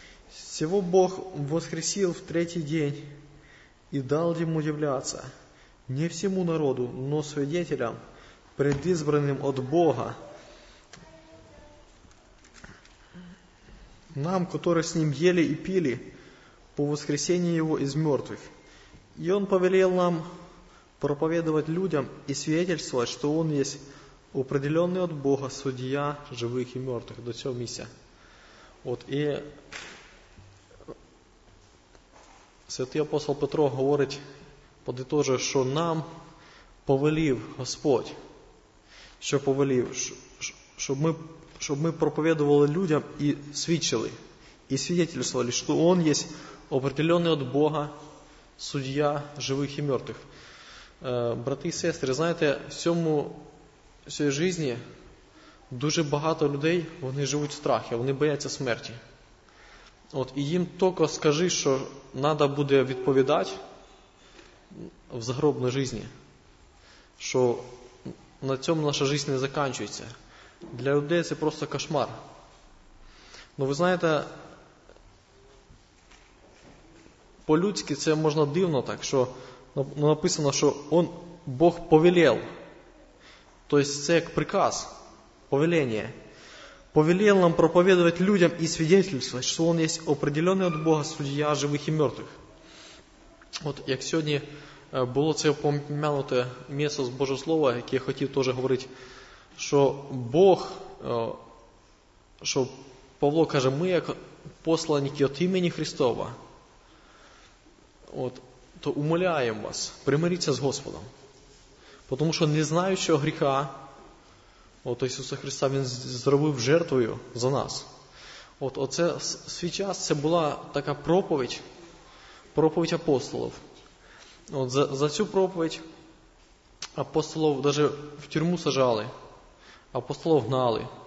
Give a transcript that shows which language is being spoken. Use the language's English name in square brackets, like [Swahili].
[Russian] Всего Бог воскресил в третий день, и дал ему являться не всему народу, но свидетелям, предизбранным от Бога, нам, которые с ним ели и пили по воскресении его из мертвых. И он повелел нам проповедовать людям и свидетельствовать, что он есть определенный от Бога судья живых и мертвых. [Ukrainian] До цього місця. От, и святий апостол Петро говорить, подытожив, що нам повелів Господь, що повелів, щоб ми проповедували людям і свідчили, і свідетельствовали, що Он є определенний от Бога суддя живих і мертвих. Брати і сестри, знаєте, в цій житті дуже багато людей, вони живуть в страхі, вони бояться смерті. От, і їм тільки скажи, що треба буде відповідати в загробній житті, що на цьому наша життя не закінчується. Для людей це просто кошмар. Ну ви знаєте, по-людськи це можна дивно так, що написано, що он, Бог повелел. Тобто це як приказ, повеління. [Russian] Повелел нам проповедовать людям и свидетельствовать, что Он есть определенный от Бога судья живых и мертвых. Вот, как сегодня было это упомянуто место с Божьего Слова, как я хотел тоже говорить, что Бог, что Павло говорит, мы, как посланники от имени Христова, вот, то умоляем вас, примириться с Господом. Потому что не знающего греха, [Ukrainian] от Ісуса Христа Він зробив жертвою за нас. От оце свій час це була така проповідь апостолів. От за цю проповідь апостолів навіть в тюрму сажали, апостолів гнали.